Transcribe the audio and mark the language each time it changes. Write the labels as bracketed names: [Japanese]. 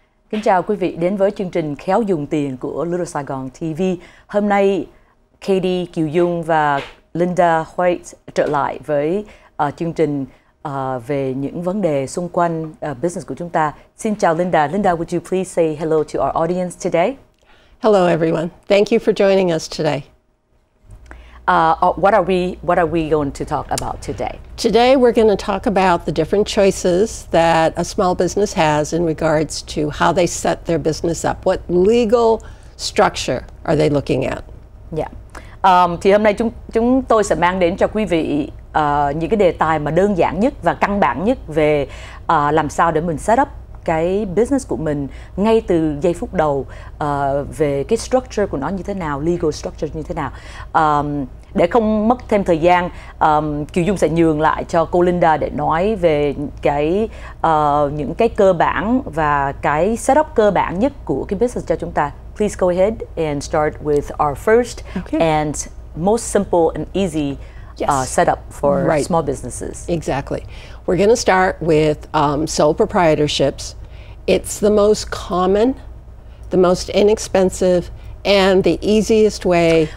[Vietnamese] Kính chào quý vị đến với chương trình Khéo dùng tiền của Little Saigon TV. Hôm nay Katie Kiều Dung và Linda White trở lại với chương trình về những vấn đề xung quanh business của chúng ta. Xin chào Linda. [English] Linda, would you please say hello to our audience today? Hello everyone. Thank you for joining us today. What are we going to talk about today? Today we're going to talk about the different choices that a small business has in regards to how they set their business up. What legal structure are they looking at? Yeah. [Vietnamese] Thì hôm nay chúng tôi sẽ mang đến cho quý vị những cái đề tài mà đơn giản nhất và căn bản nhất về làm sao để mình set up cái business của mình ngay từ giây phút đầu, về cái structure của nó như thế nào, legal structure như thế nào. Để không mất thêm thời gian, Kiều Dung sẽ nhường lại cho cô Linda để nói về cái những cái cơ bản và cái setup cơ bản nhất của cái business cho chúng ta. [English] Please go ahead and start with our first and most simple and easy setup for small businesses. Exactly. We're going to start with sole proprietorships. It's the most common, the most inexpensive, and the easiest way.